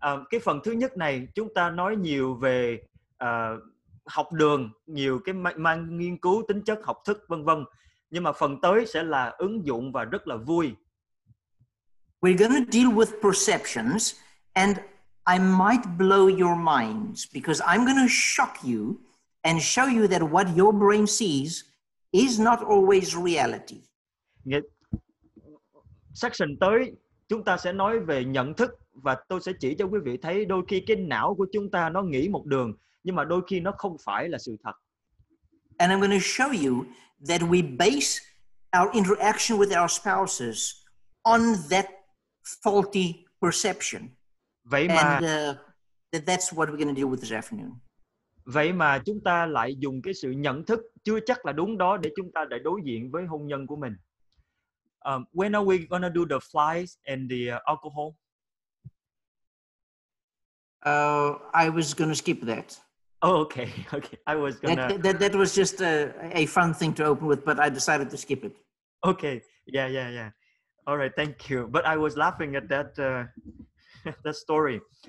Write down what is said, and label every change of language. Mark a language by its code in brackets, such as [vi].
[vi] Cái phần thứ nhất này, chúng ta nói nhiều về học đường, nhiều cái mang nghiên cứu, tính chất, học thức, vân vân. Nhưng mà phần tới sẽ là ứng dụng và rất là vui. [en] We're going to deal with perceptions and I might blow your minds because I'm going to shock you and show you that what your brain sees is not always reality. [vi] Section tới, chúng ta sẽ nói về nhận thức và tôi sẽ chỉ cho quý vị thấy đôi khi cái não của chúng ta nó nghĩ một đường nhưng mà đôi khi nó không phải là sự thật. [en] And I'm going to show you that we base our interaction with our spouses on that faulty perception. [vi] Vậy mà, [en] and that's what we're going to deal with this afternoon. [vi] Vậy mà chúng ta lại dùng cái sự nhận thức chưa chắc là đúng đó để chúng ta lại đối diện với hôn nhân của mình. [en] When are we going to do the flies and the alcohol? I was going to skip that. Oh, okay. I was going to... That was just a fun thing to open with, but I decided to skip it. Okay. Yeah. All right. Thank you. But I was laughing at that... the story.